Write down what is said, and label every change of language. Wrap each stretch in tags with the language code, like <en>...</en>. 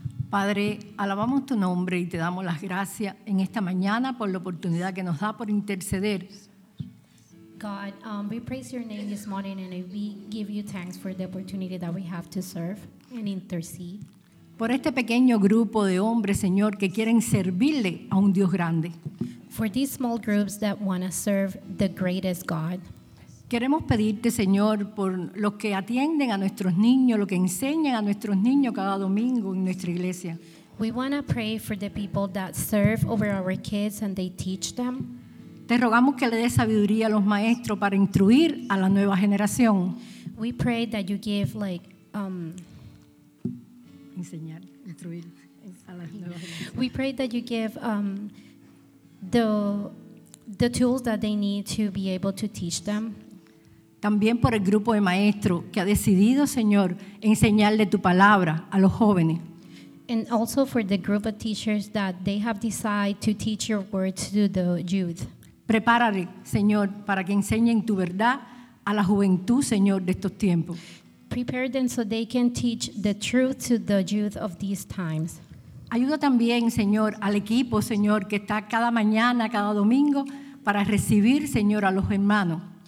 <es>Padre, alabamos tu nombre y te damos las gracias en esta mañana por la oportunidad que nos da por interceder.</es> <en>God, we praise your name this morning and we give you thanks for the opportunity that we have to serve and intercede.</en> <es>Por este pequeño grupo de hombres, Señor, que quieren servirle a un Dios grande.</es> <en>For these small groups that want to serve the greatest God.</en> <es>Queremos pedirte, Señor, por los que atienden a nuestros niños, los que enseñan a nuestros niños cada domingo en nuestra iglesia.</es> <en>We want to pray for the people that serve over our kids and they teach them.</en> <es>Te rogamos que le des sabiduría a los maestros para instruir a la nueva generación.</es> <en>We pray that you give, like,</en> <es>enseñar, instruir a la nueva generación.</es> <en>We pray that you give the tools that they need to be able to teach them.</en> <es>También por el grupo de maestros que ha decidido, Señor, enseñarle tu palabra a los jóvenes.</es> <en>And also for the group of teachers that they have decided to teach your word to the youth.</en> <es>Prepárale, Señor, para que enseñen tu verdad a la juventud, Señor, de estos tiempos.</es> <en>Prepare them so they can teach the truth to the youth of these times.</en> <es>Ayuda también, Señor, al equipo, Señor, que está cada mañana, cada domingo, para recibir, Señor, a los hermanos.</es>